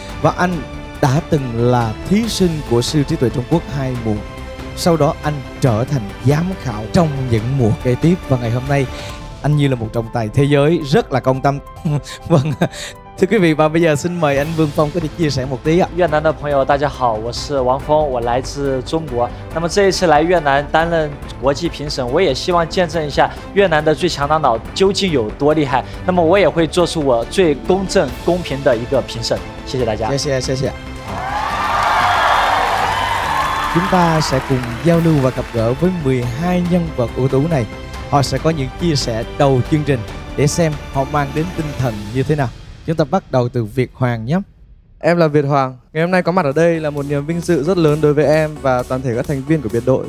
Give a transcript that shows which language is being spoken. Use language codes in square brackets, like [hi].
[vi] Và anh đã từng là thí sinh của Siêu Trí Tuệ Trung Quốc 2 mùa, sau đó anh trở thành giám khảo trong những mùa kế tiếp, và ngày hôm nay anh như là một trọng tài thế giới rất là công tâm. Vâng, thưa quý vị, và bây giờ xin mời anh Vương Phong có thể chia sẻ một tí ạ. [zh] Việt Nam 的朋友大家好，我是王峰，我来自中国。那么这一次来越南担任国际评审，我也希望见证一下越南的最强大脑究竟有多厉害。那么我也会做出我最公正公平的一个评审。谢谢大家。谢谢谢谢。 [vi] chúng ta sẽ cùng giao lưu và gặp gỡ với 12 nhân vật ưu tú này. Họ sẽ có những chia sẻ đầu chương trình để xem họ mang đến tinh thần như thế nào. Chúng ta bắt đầu từ Việt Hoàng nhé. Em là Việt Hoàng, ngày hôm nay có mặt ở đây là một niềm vinh dự rất lớn đối với em và toàn thể các thành viên của biệt đội.